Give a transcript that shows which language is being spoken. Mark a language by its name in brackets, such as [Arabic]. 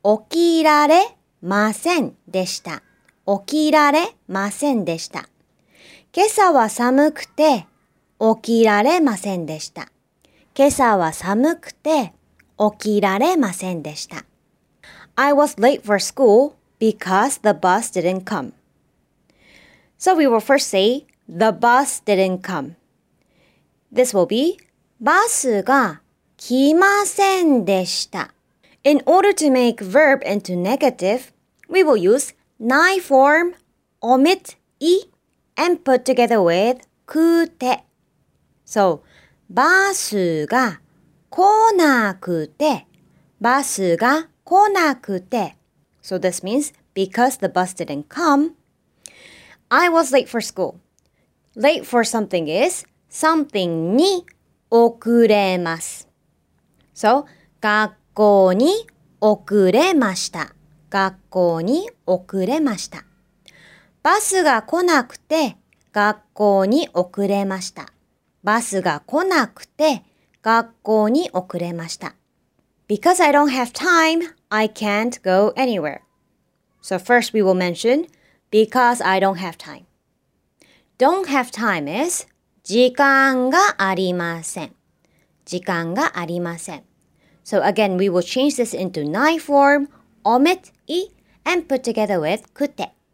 [Japanese] 起きられませんでした起きられませんでした今朝は寒くて起きられませんでした。今朝は寒くて起きられませんでした。 [English] I was late for school because the bus didn't come. So we will first say, the bus didn't come. This will be, [Japanese] バスが来ませんでした。 [English] In order to make verb into negative, we will use ない form, omit い, and put together with [Japanese] くて。 [English] So, [Japanese] バスが来なくて、バスが来なくて。 [English] So this means, because the bus didn't come, I was late for school. Late for something is, [Japanese] something に遅れます。 [English] So, [Japanese] 学校に遅れました。学校に遅れました。バスが来なくて、学校に遅れました。バスが来なくて学校に遅れました。 [English] Because I don't have time, I can't go anywhere. So first we will mention, because I don't have time. Don't have time is [Japanese] 時間がありません。時間がありません。 [English] So again, we will change this into ない form, omit い, and put together with くて。